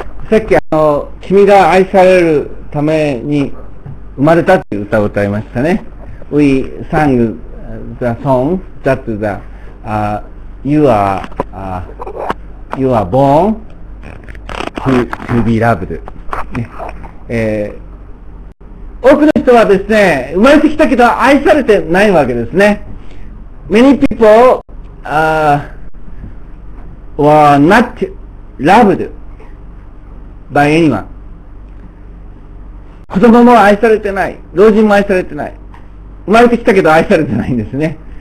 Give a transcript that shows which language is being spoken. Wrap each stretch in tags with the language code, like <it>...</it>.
<ja>さっき君が愛されるために生まれたという歌を歌いましたね。</ja> <en>We sang the song that the, you are born to be loved、ね。</en> <ja>多くの人はですね、生まれてきたけど愛されてないわけですね。</ja> <en>Many people、were not lovedby anyone。</en> <ja>子供も愛されてない、老人も愛されてない、生まれてきたけど愛されてないんですね。</ja>